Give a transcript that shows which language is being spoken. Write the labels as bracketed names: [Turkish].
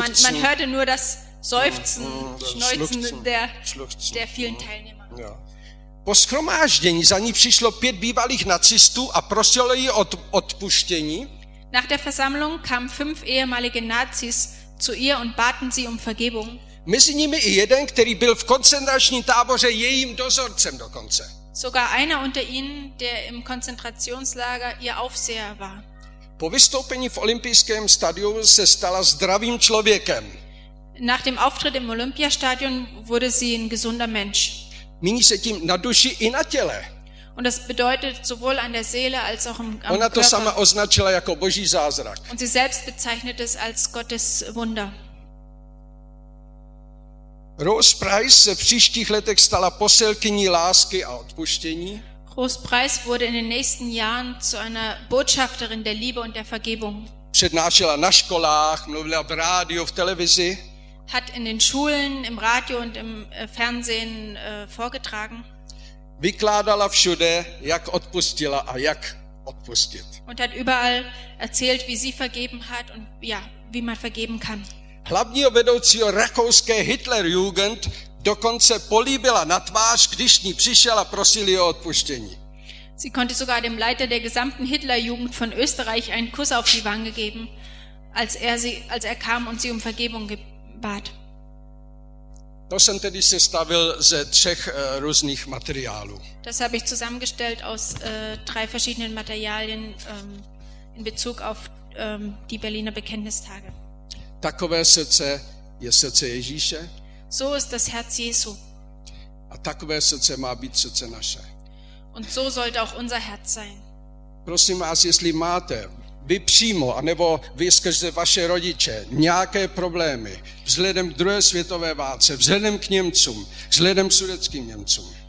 [German] Man hörte nur das Seufzen, Schneuzen der vielen Teilnehmer. Ja. [Czech] Po schromáždění za ní přišlo pět bývalých nacistů a prosilo ji o odpuštění. [German] Nach der Versammlung kamen 5 ehemalige Nazis zu ihr und baten sie um Vergebung. [Czech] Mezi nimi i jeden, který byl v koncentračním táboře jejím dozorcem dokonce. [German] Sogar einer unter ihnen, der im Konzentrationslager ihr Aufseher war. [Czech] Po vystoupení v olympijském stadionu se stala zdravým člověkem. [German] Nach dem Auftritt im Olympiastadion wurde sie ein gesunder Mensch. [Czech] Míní se tím na duši i na těle. [German] Und das bedeutet sowohl an der Seele als auch am Körper. [Czech] Ona to sama označila jako boží zázrak. [German] Und sie selbst bezeichnet es als Gottes Wunder. [Czech] Rose Price se v příštích letech stala poselkyní lásky a odpuštění. [German] Rose Price wurde in den nächsten Jahren zu einer Botschafterin der Liebe und der Vergebung. [Czech] Přednášela na školách, mluvila v rádiu, v televizi. [German] Hat in den Schulen, im Radio und im Fernsehen vorgetragen. [Czech] Vykládala všude, jak odpustila a jak odpustit. [German] Und hat überall erzählt, wie sie vergeben hat und ja, wie man vergeben kann. [Czech] Hlavního vedoucího rakouské Hitlerjugend dokonce políbila na tvář, když ní přišel a prosil ji o odpuštění. [German] Sie konnte sogar dem Leiter der gesamten Hitlerjugend von Österreich einen Kuss auf die Wange geben, als er kam und sie um Vergebung bat. [Czech] To jsem tedy sestavil ze třech různých materiálů. [German] Das habe ich zusammengestellt aus drei verschiedenen Materialien in Bezug auf die Berliner Bekenntnistage. [Czech] Takové srdce je srdce Ježíše. [German] So ist das Herz Jesu. [Czech] A takové srdce má být srdce naše. [German] Und so sollte auch unser Herz sein. [Czech] Prosím vás, jestli máte vy přímo, anebo vy skrze vaše rodiče, nějaké problémy vzhledem k druhé světové válce, vzhledem k Němcům, vzhledem k sudeckým Němcům.